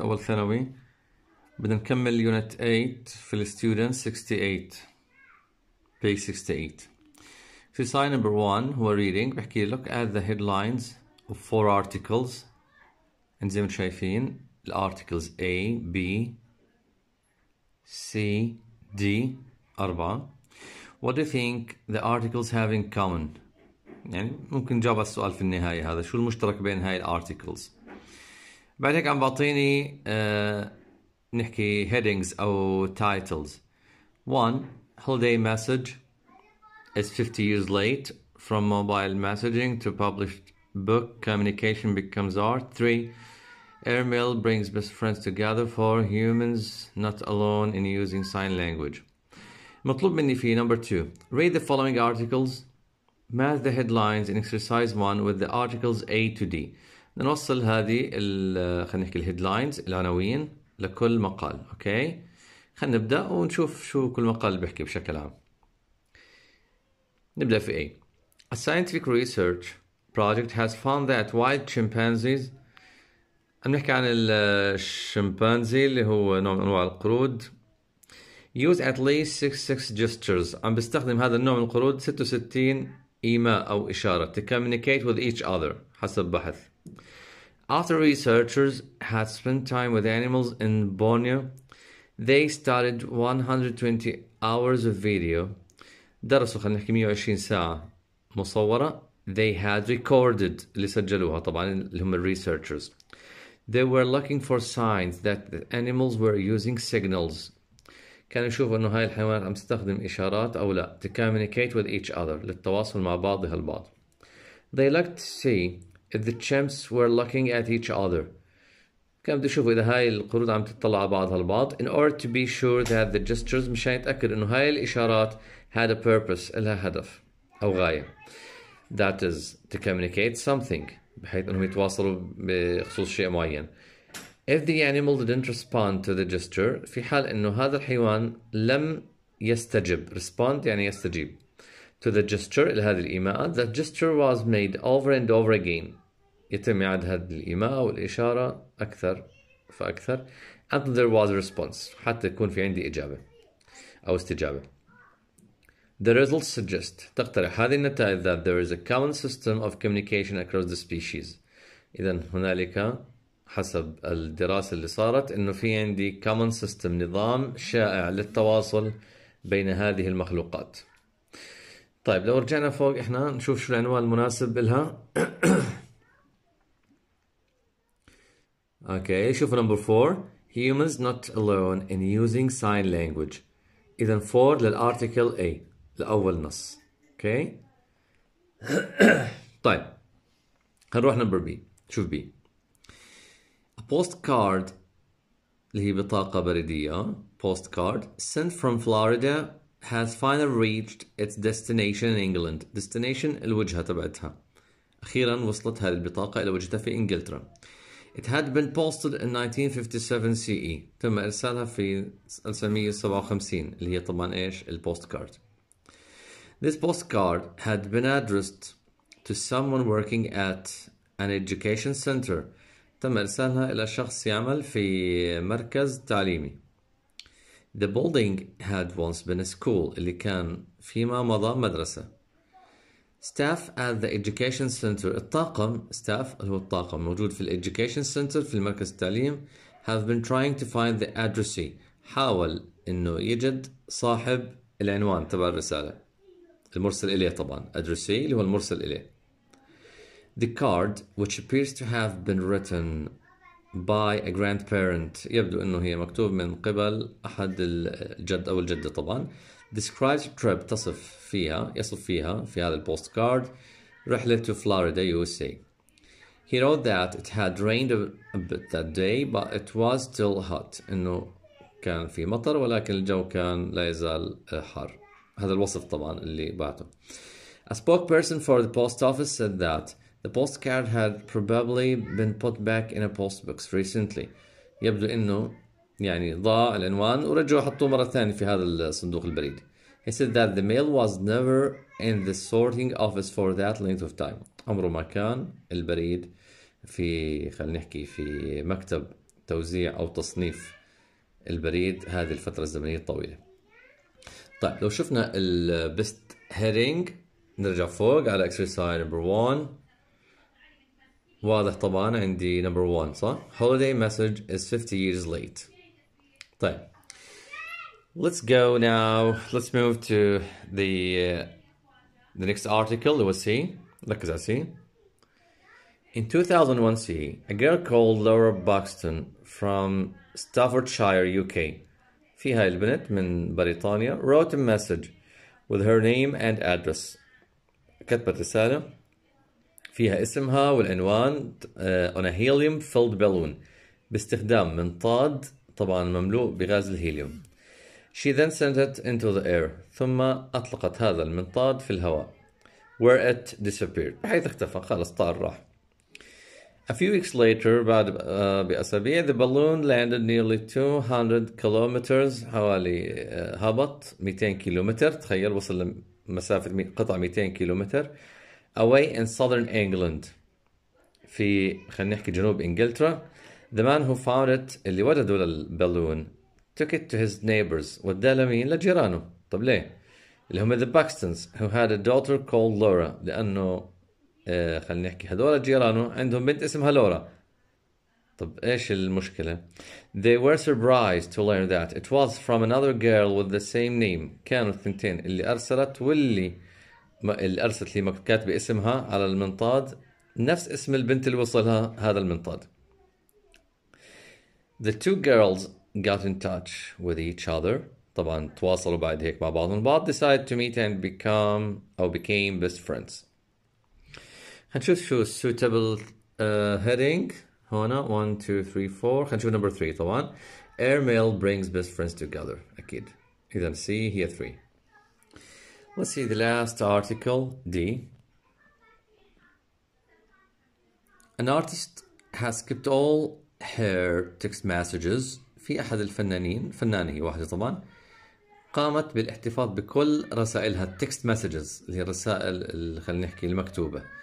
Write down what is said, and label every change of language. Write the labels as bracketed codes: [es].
[ar] أول ثانوي بدنا نكمل يونت 8 في الـ student 68 page 68. [en] في sign number 1 هو reading، [ar] بحكي لك [en] add the headlines of 4 articles. [ar] انت زي ما شايفين الـ articles A B C D 4. [en] What do you think the articles have in common؟ [ar] يعني ممكن نجاوب على السؤال في النهاية، هذا شو المشترك بين هاي الـ articles. بعد هيك عم بعطيني نحكي headings أو titles. [en] One, holiday message is 50 years late. From mobile messaging to published book, communication becomes art. Three, airmail brings best friends together. Four, humans not alone in using sign language. [ar] مطلوب مني في number two. [en] Read the following articles. Match the headlines in exercise one with the articles A to D. [ar] نوصل هذه ال خلينا نحكي الهيدلاينز العناوين لكل مقال. اوكي خلينا نبدا ونشوف شو كل مقال بيحكي بشكل عام. نبدا في A. [en] A scientific research project has found that wild chimpanzees، [ar] عم نحكي عن الشمبانزي اللي هو نوع من انواع القرود، [en] use at least 66 gestures، [ar] عم بيستخدم هذا النوع من القرود 66 ايماء او اشاره [en] to communicate with each other [ar] حسب بحث. [en] After researchers had spent time with animals in Borneo, they started 120 hours of video. [ar] درسوا خلينا نحكي 120 ساعة مصورة. [en] They had recorded [ar] اللي سجلوها طبعا اللي هم researchers. [en] They were looking for signs that the animals were using signals. [ar] كانوا يشوفوا انه هاي الحيوانات عم تستخدم اشارات او لا. [en] To communicate with each other [ar] للتواصل مع بعضها البعض. [en] They looked to see if the chimps were looking at each other. [ar] كان بده يشوفوا اذا هاي القرود عم تطلع على بعضها البعض. [en] In order to be sure that the gestures، [ar] مشان يتاكد انه هاي الاشارات [en] had a purpose، [ar] لها هدف او غايه. [en] That is to communicate something، [ar] بحيث انهم يتواصلوا بخصوص شيء معين. [en] If the animal didn't respond to the gesture، [ar] في حال انه هذا الحيوان لم يستجب، [en] respond [ar] يعني يستجيب، [en] to the gesture [ar] لهذه الإيماء، [en] the gesture was made over and over again، [ar] يتم إعادة هذه الإيماء أو الإشارة أكثر فأكثر، [en] and there was a response، [ar] حتى يكون في عندي إجابة أو استجابة. [en] The results suggest، [ar] تقترح هذه النتائج، [en] that there is a common system of communication across the species. [ar] إذن هنالك حسب الدراسة اللي صارت إنه في عندي [en] common system، [ar] نظام شائع للتواصل بين هذه المخلوقات. طيب لو رجعنا فوق احنا نشوف شو العنوان المناسب لها. اوكي شوف نمبر 4، [en] humans not alone in using sign language. [ar] اذا 4 للارتيكل A الاول نص. اوكي طيب هنروح نمبر B. [en] شوف B، a postcard [ar] اللي هي بطاقة بريدية، [en] postcard sent from Florida has finally reached its destination in England. [ar] Destination الوجهة تبعتها، أخيرا وصلت هذه البطاقة إلى وجهتها في إنجلترا. [en] It had been posted in 1957 CE، [ar] تم إرسالها في 1957 اللي هي طبعا إيش البوستكارد. [en] This postcard had been addressed to someone working at an education center، [ar] تم إرسالها إلى شخص يعمل في مركز تعليمي. [en] The building had once been a school، اللي كان فيما مضى مدرسة. Staff at the education center، [ar] الطاقم staff اللي هو الطاقم موجود في الeducation center في المركز التعليم، [en] have been trying to find the addressee، [ar] حاول انه يجد صاحب العنوان تبع الرسالة المرسل اليه طبعا، addressee اللي هو المرسل اليه. [en] The card which appears to have been written by a grandparent، [ar] يبدو انه هي مكتوب من قبل احد الجد او الجدة طبعا. [en] Describes trip، [ar] تصف فيها يصف فيها في هذا البوست كارد رحلة [en] to Florida USA. He wrote that it had rained a bit that day but it was still hot، [ar] انه كان في مطر ولكن الجو كان لا يزال حار. هذا الوصف طبعا اللي بعته. [en] A spokesperson for the post office said that the postcard had probably been put back in a postbox recently. [ar] يبدو انه يعني ضاع العنوان ورجعوا حطوه مره ثانيه في هذا الصندوق البريد. [en] He said that the mail was never in the sorting office for that length of time. [ar] عمره ما كان البريد في خلينا نحكي في مكتب توزيع أو تصنيف البريد هذه الفترة الزمنية الطويلة. طيب لو شفنا البست هيرينج نرجع فوق على اكسرسايز نمبر 1، واضح طبعا عندي نمبر 1 صح؟ [en] holiday message is 50 years late. [ar] طيب [en] let's go now, let's move to the next article. We'll see. [ar] ركز على سي. [en] In 2001 C, a girl called Laura Buxton from Staffordshire, UK, [ar] فيها البنت من بريطانيا, [en] wrote a message with her name and address. [ar] كتبت رسالة فيها اسمها والعنوان [en] on a helium filled balloon [ar] باستخدام منطاد طبعا مملوء بغاز الهيليوم. [en] She then sent it into the air, [ar] ثم أطلقت هذا المنطاد في الهواء, [en] where it disappeared, [ar] حيث اختفى خلاص طار راح. [en] A few weeks later, [ar] بعد بأسابيع, [en] the balloon landed nearly 200 kilometers, [ar] حوالي هبط 200 كيلومتر, تخيل وصل لمسافة قطع 200 كيلومتر, [en] away in southern England, [ar] في خلينا نحكي جنوب إنجلترا. [en] The man who found it, اللي وجدوا للبالون, took it to his neighbors, [ar] وداه لمين؟ لجيرانه. طب ليه؟ اللي هم [en] the Buxtons, who had a daughter called Laura, [ar] لأنه خلينا نحكي هذول جيرانه عندهم بنت اسمها لورا. [en] طب ايش المشكله؟ They were surprised to learn that it was from another girl with the same name. [ar] كانوا الثنتين اللي ارسلت واللي اللي ارسلت لي كاتبه اسمها على المنطاد نفس اسم البنت اللي وصلها هذا المنطاد. [en] The two girls got in touch with each other. [ar] طبعا تواصلوا بعد هيك مع بعضهم البعض, [en] decided to meet and became best friends. [ar] هنشوف شو [en] suitable heading [ar] هنا 1 2 3 4. [en] هنشوف number 3 طبعا, airmail brings best friends together, أكيد. [ar] إذا C هي 3. [en] Let's see the last article, D. An artist has skipped all her text messages. [ar] في أحد الفنانين, فنانة هي واحدة طبعا, قامت بالاحتفاظ بكل رسائلها text messages اللي هي الرسائل اللي خلينا نحكي المكتوبة.